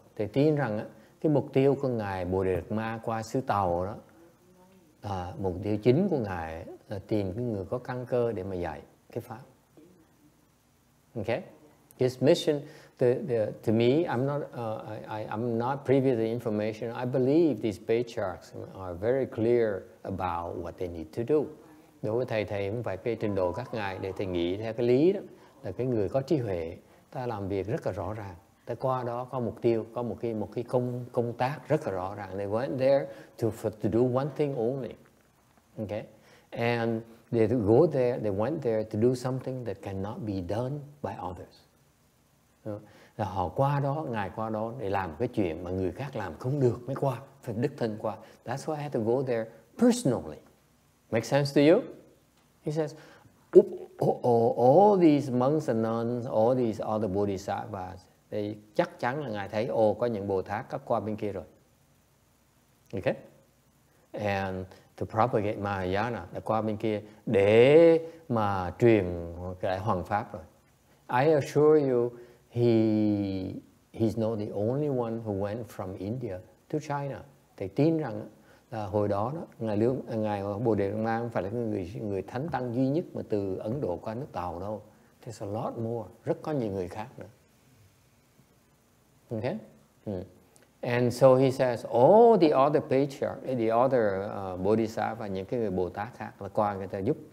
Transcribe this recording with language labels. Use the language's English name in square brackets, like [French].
[Vietnamese] Thầy tin rằng cái mục tiêu của ngài Bồ Đề Đạt Ma qua sứ tàu đó, mục tiêu chính của ngài là tìm cái người có căn cơ để mà dạy cái pháp. [English] Okay, his mission. To me, I'm not privy to the information. I believe these patriarchs are very clear about what they need to do. [Vietnamese] Đối với thầy cũng phải cái trình độ các ngài để thầy nghĩ theo cái lý đó là cái người có trí huệ, ta làm việc rất là rõ ràng. Ta qua đó có mục tiêu, có một cái công tác rất là rõ ràng. [English] They went there to do one thing only, okay? And they went there to do something that cannot be done by others. [Vietnamese] Là họ qua đó, ngài qua đó để làm cái chuyện mà người khác làm không được mới qua, phải đích thân qua. [English] That's why I had to go there personally. Make sense to you? He says, all these monks and nuns, all these other bodhisattvas, they [Vietnamese] chắc chắn là ngài thấy, ồ, có những Bồ Tát có qua bên kia rồi. Okay? [English] And to propagate Mahayana, [Vietnamese] đã qua bên kia để mà truyền cái hoằng pháp rồi. [English] I assure you, he's not the only one who went from India to China. [Vietnamese] Thầy tin rằng là hồi đó ngài Bồ Đề Đạt Ma không phải là người thánh tăng duy nhất mà từ Ấn Độ qua nước Tàu đâu. [English] There's a lot more, [Vietnamese] rất có nhiều người khác nữa. [English] Okay? And so he says all the other patriarchs, the other bodhisattva, [Vietnamese] những cái người Bồ Tát khác là qua người ta giúp.